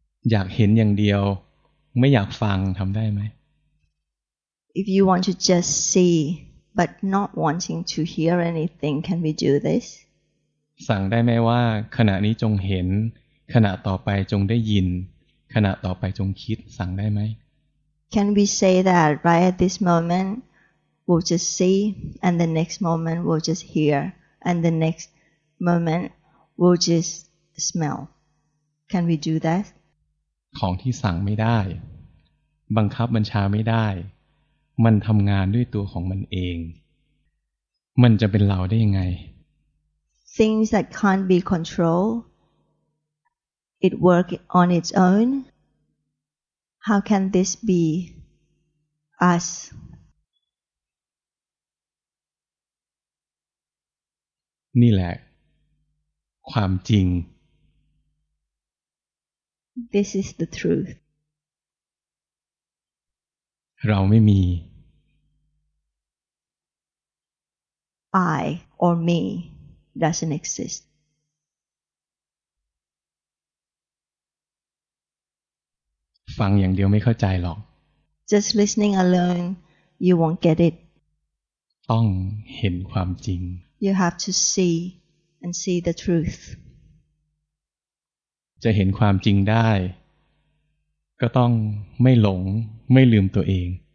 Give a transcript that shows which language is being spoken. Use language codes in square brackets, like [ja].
[th] อยากเห็นอย่างเดียวไม่อยากฟังทำได้ไหม [en] If you want to just see but not wanting to hear anything can we do this [th] สั่งได้ไหมว่าขณะนี้จงเห็นขณะต่อไปจงได้ยินขณะต่อไปจงคิดสั่งได้ไหม [en] Can we say that right at this moment we'll just see and the next moment we'll just hear and the next moment we'll just smell Can we do that [th] ของที่สั่งไม่ได้บังคับบัญชาไม่ได้มันทำงานด้วยตัวของมันเองมันจะเป็นเราได้ยังไง [en] Things that can't be controlledIt work on its own. How can this be us? [th] นี่แหละความจริง [en] This is the truth. [th] เราไม่มี [en] I or me doesn't exist. [th] ฟังอย่างเดียวไม่เข้าใจหรอก [en] Just listening alone, you won't get it. [th] ต้องเห็นความจริง [en] You have to see and see the truth. [th] จะเห็นความจริงได้ก็ต้องไม่หลงไม่ลืมตัวเอง